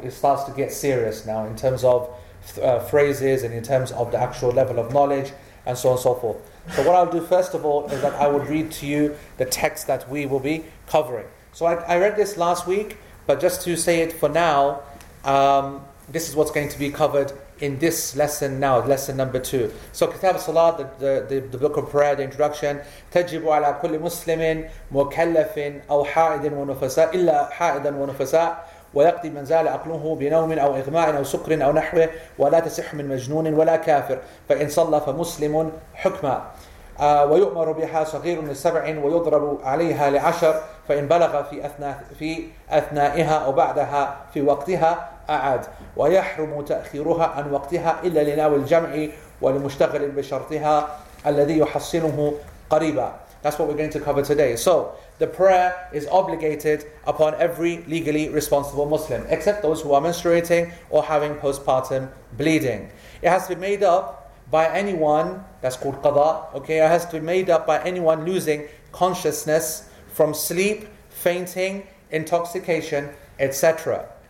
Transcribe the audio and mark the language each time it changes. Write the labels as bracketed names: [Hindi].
[English] It starts to get serious now in terms of phrases and in terms of the actual level of knowledge and so on and so forth. So what I'll do first of all is that I will read to you the text that we will be covering. So I read this last week, but just to say it for now, this is what's going to be covered in this lesson now, lesson number 2. So Kitab al-Salah, the book of prayer, the introduction, [Arabic] تَجِبُ عَلَىٰ كُلِّ مُسْلِمٍ مُكَلَّفٍ أَوْ حَائِدٍ وَنُفَسَاءٍ إِلَّا حَائِدًا وَنُفَسَاءٍ وَيَقْضِي مَنْ زَالَ أَقْلُهُ بِنَوْمٍ أَوْ إِغْمَاءٍ أَوْ سُكْرٍ أَوْ نَحْوِهِ وَلَا تَسِحُ مِنْ مَجْنُونٍ وَلَا كَافِرٍ فَإِنْ صَلَّى فَمُسْلِمٌ حُكْمًا ويؤمر بها صغير من 7 ويضرب عليها لعشر فإن بلغ في أثنائها أو بعدها في وقتها أعاد ويحرم تأخيرها عن وقتها إلا لناوي الجمع ولمشتغل بشرطها الذي يحصنه قريبا. [English] That's what we're going to cover today. So the prayer is obligated upon every legally responsible Muslim except those who are menstruating or having postpartum bleeding. It has to be made up by anyone, that's called qada, okay, it has to be made up by anyone losing consciousness from sleep, fainting, intoxication, etc.